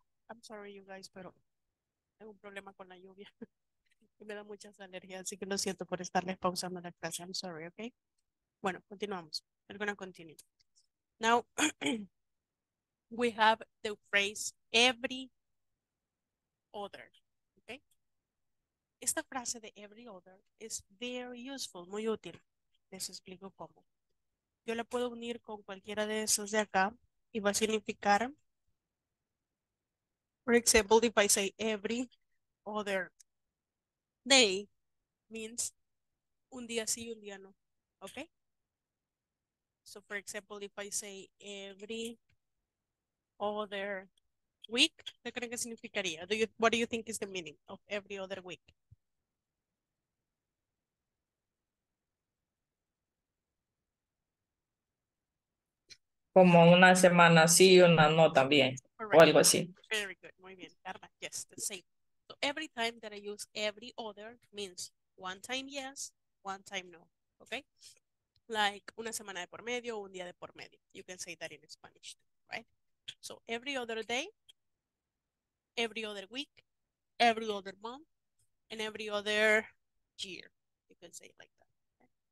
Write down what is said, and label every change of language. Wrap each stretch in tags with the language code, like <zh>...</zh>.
<en>I'm sorry, you guys,</en> <es>pero tengo un problema con la lluvia. Y me da muchas alergias, así que lo siento por estarles pausando la clase.</es> <en>I'm sorry, okay?</en> <es>Bueno, continuamos.</es> <en>We're going to continue. Now, we have the phrase every other, okay?</en> <es>Esta frase de every other</es> <en>is very useful,</en> <es>muy útil. Les explico cómo. Yo la puedo unir con cualquiera de esos de acá y va a significar.</es> <en>For example, if I say every other day means</en> <es>un día sí, un día no,</es> <en>okay? So for example, if I say every other week,</en> <es>¿qué creen que significaría?</es> <en>What do you think is the meaning of every other week?</en> <es>Como una semana sí, una no también.</es> <en>Correct. Very good.</en> <es>Muy bien.</es> <en>Yes, the same. So every time that I use every other means one time yes, one time no. Okay? Like</en> <es>una semana de por medio, un día de por medio.</es> <en>You can say that in Spanish, right? So every other day, every other week, every other month, and every other year. You can say it like that. Okay?</en>